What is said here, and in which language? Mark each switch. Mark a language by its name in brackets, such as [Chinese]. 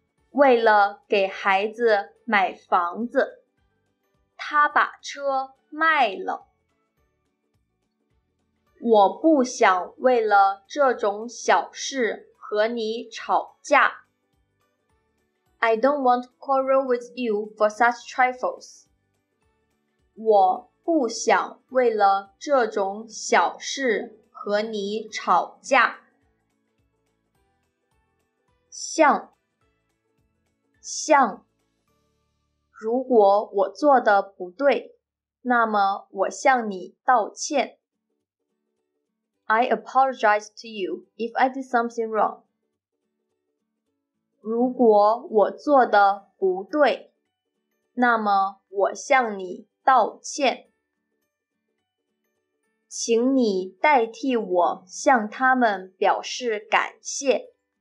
[Chinese] 为了给孩子买房子，他把车卖了。我不想为了这种小事和你吵架。 [English] I don't want to quarrel with you for such trifles. [Chinese] 我不想为了这种小事和你吵架。像，如果我做的不对，那么我向你道歉。 [English] I apologize to you if I did something wrong. [Chinese] 如果我做的不对，那么我向你道歉。请你代替我向他们表示感谢。